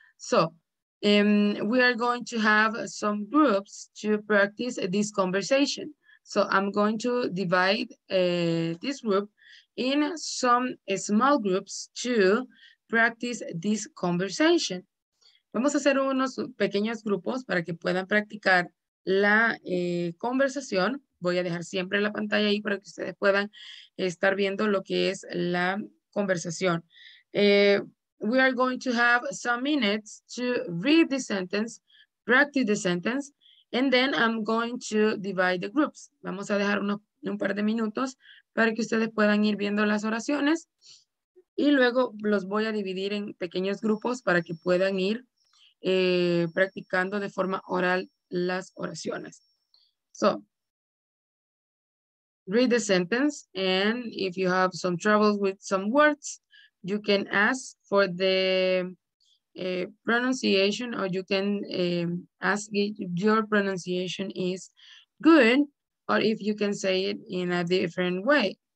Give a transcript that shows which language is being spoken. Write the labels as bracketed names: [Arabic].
[English] So we are going to have some groups to practice this conversation. So I'm going to divide this group in some small groups to practice this conversation. [Spanish] Vamos a hacer unos pequeños grupos para que puedan practicar la conversación. Voy a dejar siempre la pantalla ahí para que ustedes puedan estar viendo lo que es la conversación. [English] We are going to have some minutes to read the sentence, practice the sentence, and then I'm going to divide the groups. [Spanish] Vamos a dejar un par de minutos para que ustedes puedan ir viendo las oraciones y luego los voy a dividir en pequeños grupos para que puedan ir practicando de forma oral las oraciones. [English] So, read the sentence and if you have some trouble with some words, you can ask for the pronunciation or you can ask if your pronunciation is good or if you can say it in a different way.